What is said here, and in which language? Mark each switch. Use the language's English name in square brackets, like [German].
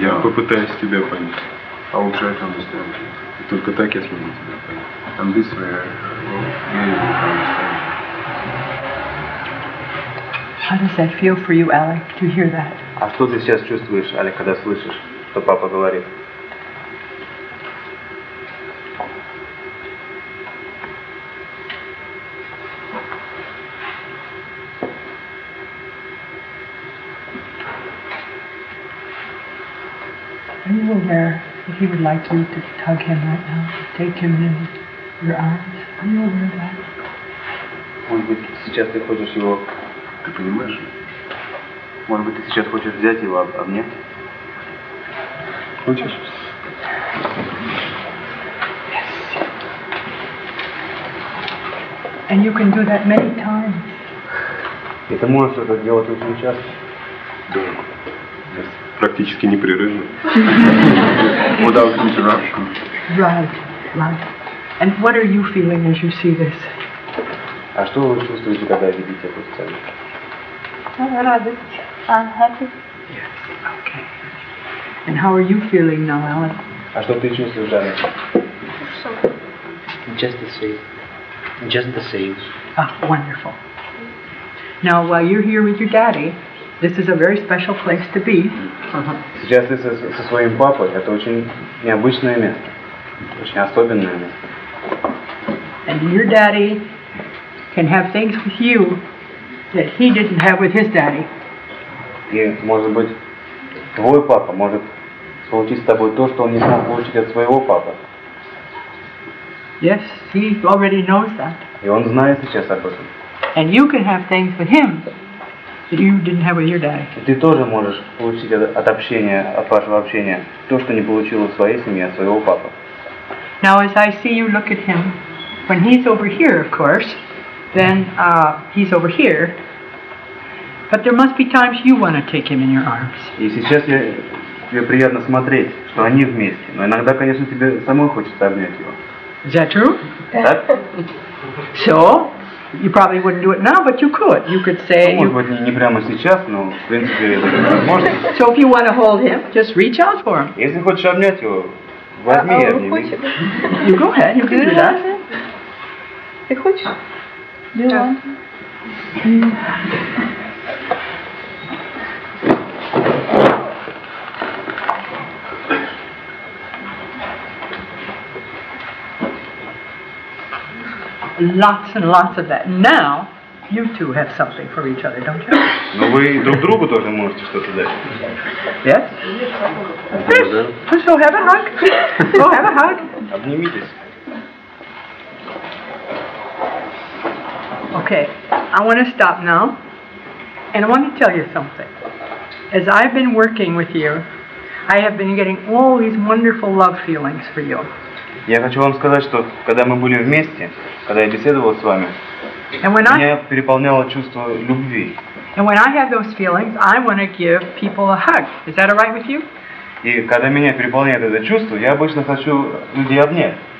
[Russian] Я попытаюсь тебя понять. [English] I will try to understand you. [Russian] И только так я смогу тебя понять. [English] And this way I will be able to understand you. How does that feel for you, Alec, to hear that? [Russian] А что ты сейчас чувствуешь, Алек, когда слышишь, что папа говорит? [English] Are you aware that he would like you to tug him right now, to take him in your arms? Are you aware of that? [Russian] Может быть, сейчас ты хочешь его... Ты понимаешь? Может быть, ты сейчас хочешь взять его, а мне? Хочешь? [English] Yes. And you can do that many times. [Russian] И ты можешь это делать очень часто? Да. Yes. Практически непрерывно. [English] Without interruption. Right. And what are you feeling as you see this? [Russian] А что вы чувствуете, когда видите эту сцену? [English] Радость. I'm happy. Yes. Okay. And how are you feeling now, Alan? [Russian] А что ты чувствуешь, Алан? Хорошо. [English] just the same. Just the same. Oh, wonderful. Now, while you're here with your daddy, this is a very special place to be. [Russian] Uh-huh. Сейчас я со своим папой. Это очень необычное место. Очень особенное место. [English] And your daddy can have things with you that he didn't have with his daddy. [Russian] И, может быть, твой папа может получить с тобой то, что он не смог получить от своего папы. [English] Yes, he already knows that. [Russian] И он знает сейчас об этом. [English] And you can have things with him that you didn't have with your daddy. [Russian] Ты тоже можешь получить от общения, от вашего общения, то, что не получил в своей семье от своего папы. [English] Now, as I see you look at him, when he's over here, of course, then he's over here. But there must be times you want to take him in your arms. [Russian] И сейчас тебе приятно смотреть, что они вместе. Но иногда, конечно, тебе самой хочется обнять его. [English] Is that true? [Russian] Так? [English] So, you probably wouldn't do it now, but you could. You could say... [Russian] Ну, может быть, не прямо сейчас, но, в принципе, это возможно. [English] So, if you want to hold him, just reach out for him. [Russian] Если хочешь обнять его, возьми и обними. [English] You go ahead, you can do that. [Russian] Ты хочешь? Да. [English] Lots and lots of that. Now, you two have something for each other, don't you? [Russian] Ну вы друг другу тоже можете что-то дать. [English] Yes? So have a hug. Go have a hug. [Russian] Обнимитесь. [English] Okay, I want to stop now, and I want to tell you something. As I've been working with you, I have been getting all these wonderful love feelings for you. Я хочу вам сказать, что когда мы были вместе, когда я беседовал с вами, меня переполняло чувство любви. And when I have those feelings, I want to give people a hug. Is that all right with you? [Russian] И когда меня переполняет это чувство, я обычно хочу людей обнять.